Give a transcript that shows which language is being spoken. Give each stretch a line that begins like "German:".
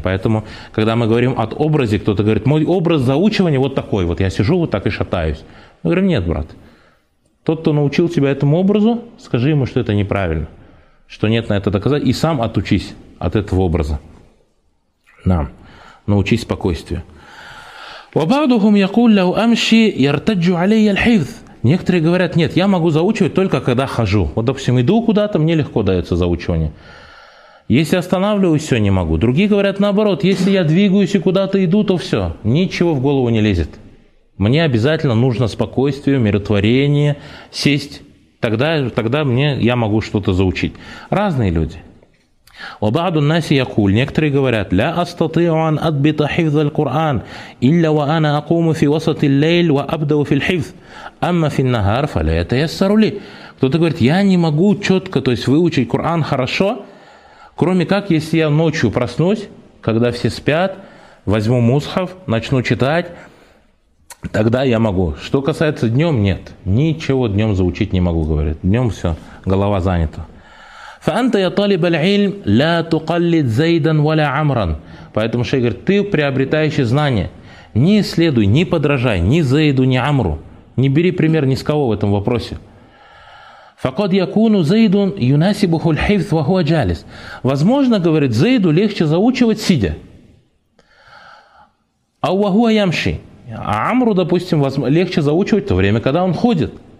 Russian: Поэтому, когда мы говорим о образе, кто-то говорит, мой образ заучивания вот такой, вот я сижу вот так и шатаюсь. Мы говорим, нет, брат. Тот, кто научил тебя этому образу, скажи ему, что это неправильно. Что нет на это доказать. И сам отучись от этого образа. Да. Научись спокойствию.
Arabic: وبعضهم يقول لو امشي يرتج علي الحفظ.
Russian: Некоторые говорят: нет, я могу заучивать только когда хожу. Вот, допустим, иду куда-то, мне легко дается заучивание. Если останавливаюсь, все, не могу. Другие говорят наоборот: если я двигаюсь и куда-то иду, то все, ничего в голову не лезет. Мне обязательно нужно спокойствие, умиротворение, сесть. Тогда мне я могу что-то заучить. Разные люди.
Arabic: وبعض الناس يقول
Russian: некоторые говорят
Arabic: لا أستطيع أن أضبط حفظ القرآن إلا وأنا أقوم في وسط الليل وأبدأ في الحفظ أما في النهار فلا يتيسر لي.
Russian: Кто-то говорит, я не могу четко, то есть выучить Коран хорошо, кроме как если я ночью проснусь, когда все спят, возьму мусхав, начну читать, тогда я могу. Что касается днем, нет, ничего днем заучить не могу, говорит, днем все, голова занята.
Arabic: فأنت يا طالب العلم لا تقلد زيدا ولا عمرا.
Russian: Поэтому шейх говорит, ты приобретающий знания, не следуй, не подражай ни Зейду, ни Амру, не бери пример ни с кого в этом вопросе.
Arabic: فقد يكون زيد يناسبه الحفظ وهو جالس.
Russian: Возможно, говорит, Зейду легче заучивать сидя.
Arabic: أو وهو يمشي.
Russian: А Амру, допустим, легче заучивать в то время, когда он ходит.